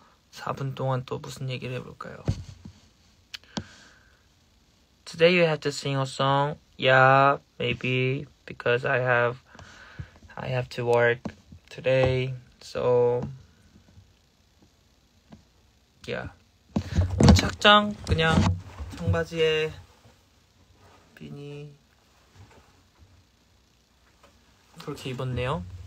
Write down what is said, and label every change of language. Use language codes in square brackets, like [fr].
[ko] 4분 동안 또 무슨 얘기를 해볼까요? [en] Today you have to sing a song. Yeah, maybe because I have to work today. So yeah. [ko] 오늘 착장 그냥 청바지에 비니 그렇게 입었네요.